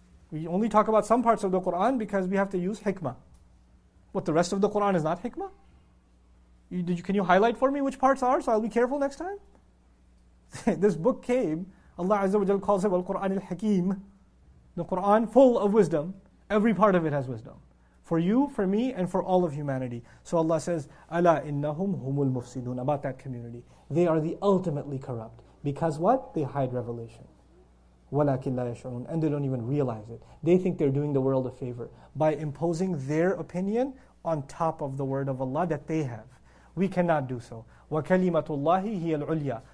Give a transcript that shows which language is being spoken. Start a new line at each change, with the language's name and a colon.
English: We only talk about some parts of the Qur'an because we have to use hikmah. What, the rest of the Qur'an is not hikmah? Can you highlight for me which parts are so I'll be careful next time? This book came, Allah Azza wa Jalla calls it Al-Qur'an Al-Hakim. The Qur'an full of wisdom, every part of it has wisdom. For you, for me, and for all of humanity. So Allah says,
Arabic: أَلَا إِنَّهُمْ هُمُ الْمُفْسِدُونَ.
English: About that community. They are the ultimately corrupt. Because what? They hide revelation.
Arabic: وَلَكِنْ لَا يَشْعُرُونَ.
English: And they don't even realize it. They think they're doing the world a favor by imposing their opinion on top of the word of Allah that they have. We cannot do so.
Arabic: وَكَلِمَةُ اللَّهِ هِيَ الْعُلْيَا.